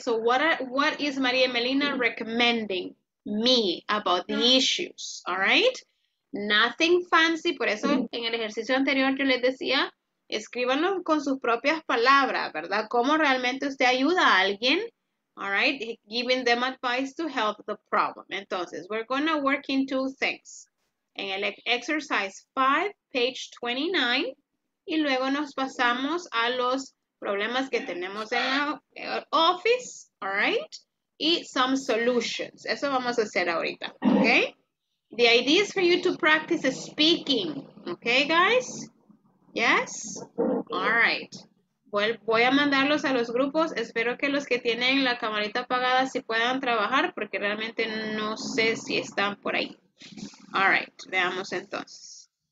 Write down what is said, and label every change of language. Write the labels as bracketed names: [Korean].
[English] So what is María Melina recommending me about the issues, all right? Nothing fancy, [Spanish] por eso en el ejercicio anterior yo les decía, escríbanlo con sus propias palabras, ¿verdad? ¿Cómo realmente usted ayuda a alguien? [English] All right, giving them advice to help the problem. Entonces, we're going to work in two things. [Spanish] En el [English] exercise 5, page 29, [Spanish] y luego nos pasamos a los problemas que tenemos en el office, [English] all right, [Spanish] y [English] some solutions. [Spanish] Eso vamos a hacer ahorita, okay? [English] The idea is for you to practice speaking, okay, guys? Yes? All right. Well, [Spanish] voy a mandarlos a los grupos. Espero que los que tienen la camarita apagada sí puedan trabajar porque realmente no sé si están por ahí. [English] All right. [Spanish] Veamos entonces.